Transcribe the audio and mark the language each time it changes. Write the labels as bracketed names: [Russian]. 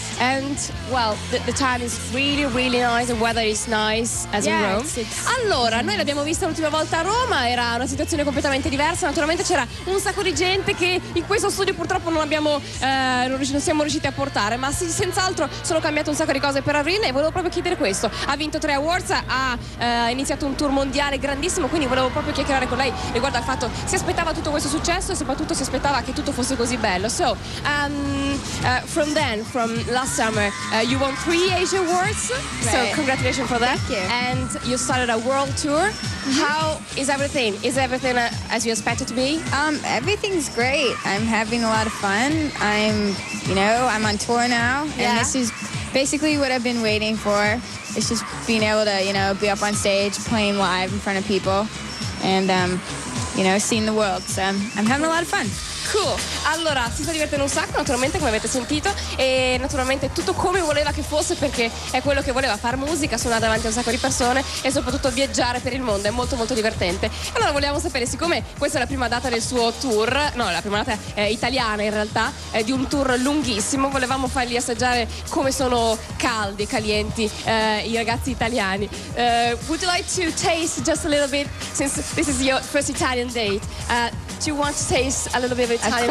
[English] And, well, the time is really, really nice, the weather is nice as yeah, in Rome. [Italian] Allora, noi l'abbiamo vista l'ultima volta a Roma, era una situazione completamente diversa, naturalmente c'era un sacco di gente che in questo studio purtroppo non siamo riusciti a portare, ma sì, senz'altro sono cambiate un sacco di cose per Avril e volevo proprio chiedere questo. Ha vinto 3 awards, ha iniziato un tour mondiale grandissimo, quindi volevo proprio chiacchierare con lei riguardo al fatto si aspettava tutto questo successo e soprattutto si aspettava che tutto fosse così bello. [English] So, from last summer, you won 3 Asia Awards, right. So congratulations for that. Thank you. And you started a world tour. Mm-hmm. How is everything? Is everything as you expected to be? Everything's great. I'm having a lot of fun. I'm on tour now. Yeah. And this is basically what I've been waiting for. It's just being able to, you know, be up on stage, playing live in front of people, and, you know, seeing the world. So I'm having a lot of fun. Cool. [Italian] Allora, si sta divertendo un sacco, naturalmente, come avete sentito, e naturalmente tutto come voleva che fosse, perché è quello che voleva: fare musica, suonare davanti a un sacco di persone e soprattutto viaggiare per il mondo. È molto molto divertente. Allora, volevamo sapere, siccome questa è la prima data del suo tour, no, la prima data italiana in realtà, di un tour lunghissimo, volevamo fargli assaggiare come sono caldi e calienti i ragazzi italiani. [English] Would you like to taste just a little bit, since this is your first Italian date? Do you want to taste a little bit of Italian?